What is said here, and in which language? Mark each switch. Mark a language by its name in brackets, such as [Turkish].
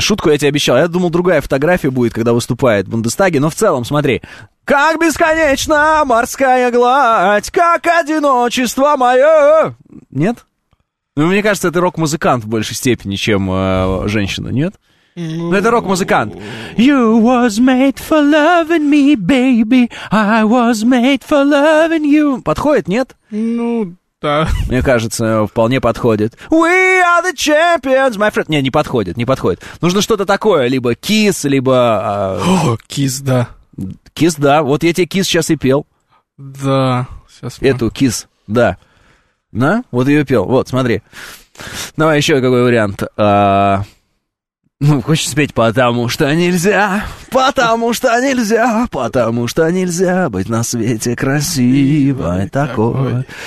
[Russian] Шутку я тебе обещал. Я думал, другая фотография будет, когда выступает в Бундестаге. Но в целом, смотри. Как бесконечна морская гладь, как одиночество мое. Нет? Ну, мне кажется, это рок-музыкант в большей степени, чем женщина, нет? Ну, это рок-музыкант. [English] You was made for loving me, baby. I was made for loving you. [Russian] Подходит, нет? Ну... Да. Мне кажется, вполне подходит. [English] We are the champions, my friend. [Russian] Не, не подходит, не подходит. Нужно что-то такое, либо Kiss, либо... О, Kiss, да. Kiss, да. Вот я тебе Kiss сейчас и пел. Да, сейчас... Эту, Kiss, да. На, вот ее пел. Вот, смотри. Давай еще какой вариант. Ну, хочется петь «Потому что нельзя, потому что нельзя, потому что нельзя быть на свете красивой такой».